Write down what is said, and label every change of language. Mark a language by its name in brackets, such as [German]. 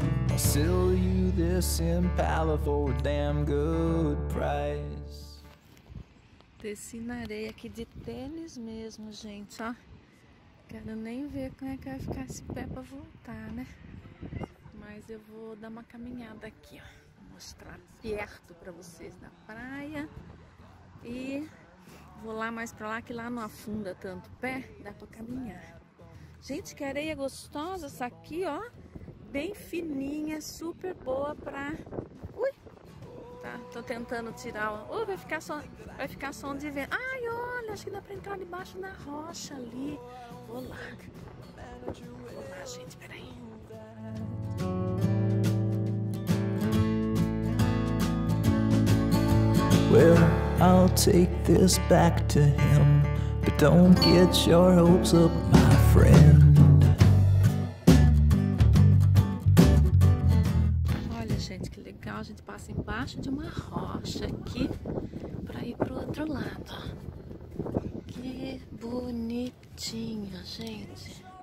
[English] I'll sell you this Impala for a damn good price. [Portuguese] Desci na areia aqui de tênis mesmo, gente, ó. Quero nem ver como é que vai ficar esse pé pra voltar, né? Mas eu vou dar uma caminhada aqui, ó. Vou mostrar perto pra vocês da praia. E vou lá mais pra lá, que lá não afunda tanto pé, dá pra caminhar. Gente, que areia gostosa essa aqui, ó. Bem fininha, super boa pra... Ui! Tá, tô tentando tirar, ó. Vai ficar só onde vem. Ai, olha, acho que dá pra entrar debaixo na rocha ali. Olá, gente, peraí. [English] Well, I'll take this back to him, but don't get your hopes up, my friend. [Portuguese] Olha, gente, que legal. A gente passa embaixo de uma rocha aqui pra ir pro outro lado. Que bonitinho, gente.